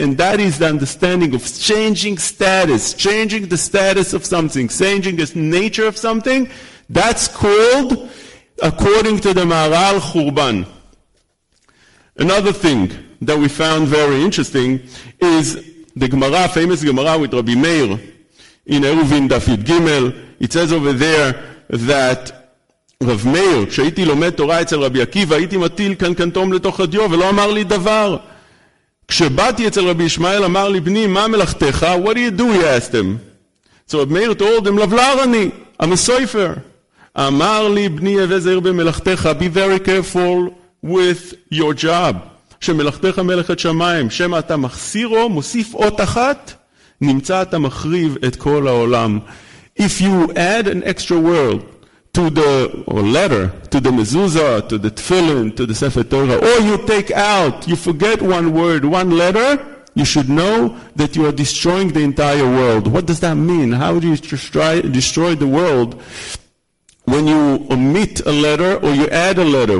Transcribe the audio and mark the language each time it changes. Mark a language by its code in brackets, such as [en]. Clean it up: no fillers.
[en] And that is the understanding of changing status, changing the status of something, changing the nature of something. That's called, according to the Maharal, Churban. Another thing that we found very interesting is the Gemara, famous Gemara with Rabbi Meir in Eruvin Dafid Gimel. It says over there that Rav Meir, [he] כשהייתי לומד תורה אצל רבי עקיבא, הייתי מטיל קנקנטום לתוך הדיו ולא אמר לי דבר. כשבאתי אצל רבי ישמעאל, אמר לי, בני, מה מלאכתך? [en] What do you do? He asked him. So Rav Meir told him, [he] לבלר אני, [en] I'm a soifer. [he] אמר לי, בני, הווה זהיר במלאכתך, [en] be very careful with your job. [he] שמלאכתך מלאכת שמיים, שמה אתה מחסירו, מוסיף עוד אחת, נמצא אתה מחריב את כל העולם. [en] If you add an extra world to the letter, to the mezuzah, to the tefillin, to the sefer Torah, or you take out, you forget one word, one letter, you should know that you are destroying the entire world. What does that mean? How do you destroy the world when you omit a letter or you add a letter?